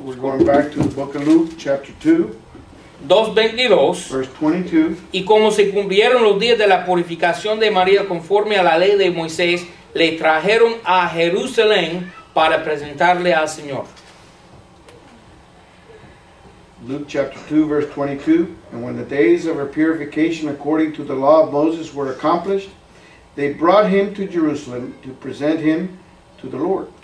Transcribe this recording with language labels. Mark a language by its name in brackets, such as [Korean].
[English] We're going back to the book of Luke, chapter 2. 2:22. Verse 22. [Spanish] Y como se cumplieron los días de la purificación de María conforme a la ley de Moisés, le trajeron a Jerusalén para presentarle al Señor. [English] Luke chapter 2 verse 22, and when the days of her purification according to the law of Moses were accomplished, they brought him to Jerusalem to present him to the Lord.